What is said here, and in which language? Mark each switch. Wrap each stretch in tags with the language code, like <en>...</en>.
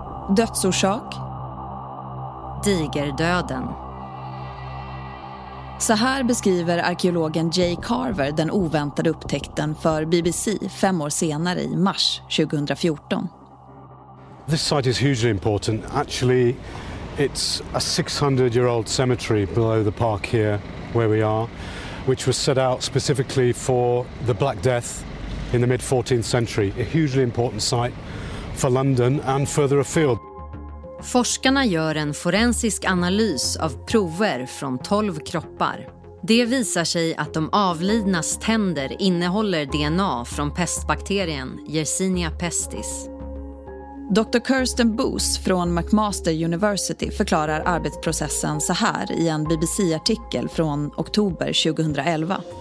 <sv>Dödsorsak? Digerdöden. Så här beskriver arkeologen Jay Carver den oväntade upptäckten för BBC 5 år senare i mars 2014.</sv> <en>This site is hugely important. Actually, it's a 600-year-old cemetery below the park here where we are, which was set out specifically for the Black Death in the mid 14th century. A hugely important site for London and further afield.</en> <sv>Forskarna gör en forensisk analys av prover från 12 kroppar. Det visar sig att de avlidnas tänder innehåller DNA från pestbakterien Yersinia pestis. Dr. Kirsten Boos från McMaster University förklarar arbetsprocessen så här i en BBC-artikel från oktober 2011.</sv>